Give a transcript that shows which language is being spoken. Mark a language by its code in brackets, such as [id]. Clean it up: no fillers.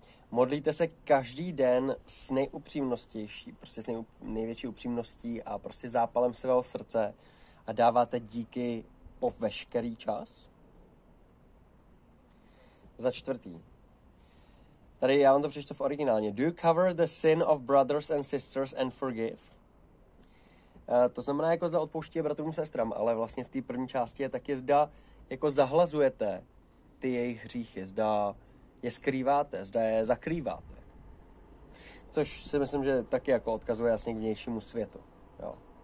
[cs] Modlíte se každý den s nejupřímnostější, prostě s největší upřímností a prostě zápalem svého srdce a dáváte díky po veškerý čas? Za čtvrtý. Tady já vám to přečtu v originálně. [en] Do you cover the sin of brothers and sisters and forgive? [cs] To znamená jako za odpouští bratrům a sestram, ale vlastně v té první části je taky zda jako zahlazujete ty jejich hříchy, zda je skrýváte, zda je zakrýváte. Což si myslím, že taky jako odkazuje jasně k vnějšímu světu. Jo.